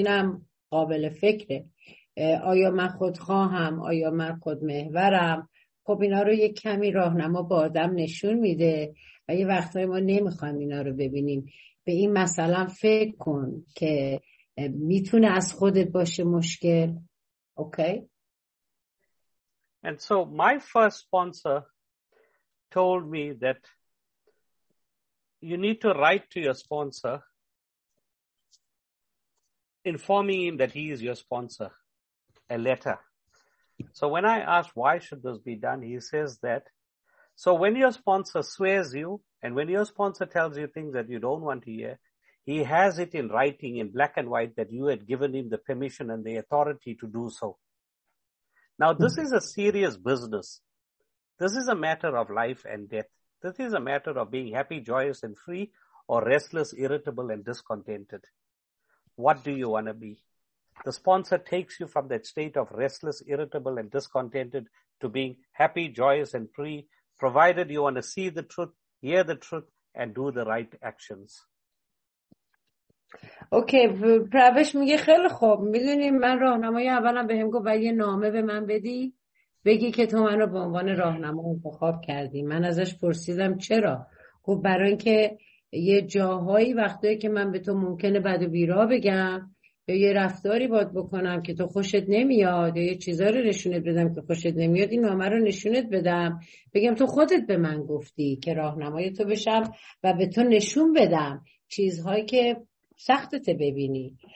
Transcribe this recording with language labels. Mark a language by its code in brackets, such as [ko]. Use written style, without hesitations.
[fa] اینم قابل فکره. آیا من خود خواهم؟ آیا من خود محورم؟ خب اینا رو یک کمی راهنما با آدم نشون میده و یه وقتای ما نمیخوایم اینا رو ببینیم. به این مثلا فکر کن که میتونه از خودت باشه مشکل. اوکی؟ [en] And so my first sponsor told me that you need to write to your sponsor informing him that he is your sponsor. A letter. So when I asked why should this be done, he says that, so when your sponsor swears you and when your sponsor tells you things that you don't want to hear, he has it in writing in black and white that you had given him the permission and the authority to do so. Now this is a serious business. This is a matter of life and death. This is a matter of being happy, joyous and free, or restless, irritable and discontented. What do you want to be? The sponsor takes you from that state of restless, irritable, and discontented to being happy, joyous, and free, provided you want to see the truth, hear the truth, and do the right actions. [fa] Okay, Pravesh میگه خیلی خوب. میدونی من راهنمای اولم بهم گفت باید یه نامه به من بدی، بگی که تو من رو به عنوان راهنما انتخاب کردی. من ازش پرسیدم چرا؟ گفت برای اینکه یه جاهایی وقتی که من به تو ممکنه بد و بیراه بگم، یه رفتاری باید بکنم که تو خوشت نمیاد، یه چیزها رو نشونت بدم که خوشت نمیاد، این نامه رو نشونت بدم، بگم تو خودت به من گفتی که راهنمای تو بشم و به تو نشون بدم چیزهایی که سختت ببینی.